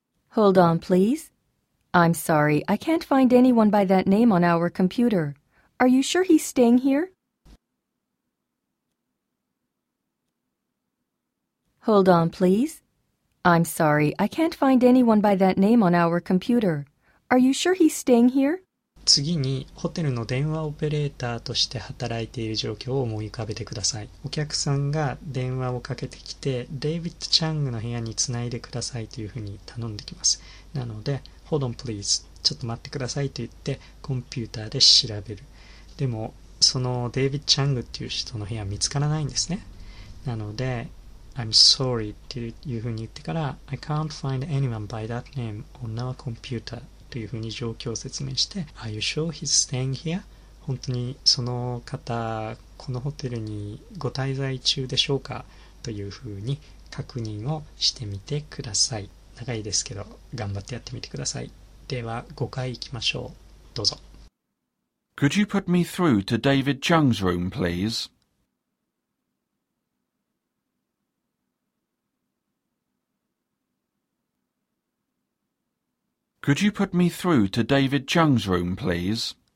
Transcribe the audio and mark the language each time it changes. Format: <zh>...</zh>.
<en>Hold on, please. I'm sorry, I can't find anyone by that name on our computer. Are you sure he's staying here? Hold on, please. I'm sorry, I can't find anyone by that name on our computer. Are you sure he's staying here?</en> <ja>次にホテルの電話オペレーターとして働いている状況を思い浮かべてください。お客さんが電話をかけてきて、デイビッド・チャングの部屋につないでくださいというふうに頼んできます。なので、</ja> <en>Hold on please、</en> <ja>ちょっと待ってくださいと言ってコンピューターで調べる。でも、そのデイビッド・チャングっていう人の部屋見つからないんですね。なので、</ja> <en>I'm sorry</en> <ja>っていうふうに言ってから、</ja> <en>I can't find anyone by that name on our computer。</en> <ja>というふうに状況を説明して</ja> <en>Are you sure he's staying here?</en> <ja>本当にその方このホテルにご滞在中でしょうかというふうに確認をしてみてください。長いですけど頑張ってやってみてください。では5回いきましょう。どうぞ。</ja> <en>Could you put me through to David Chung's room, please? Could you put me through to David Chung's room, please?</en>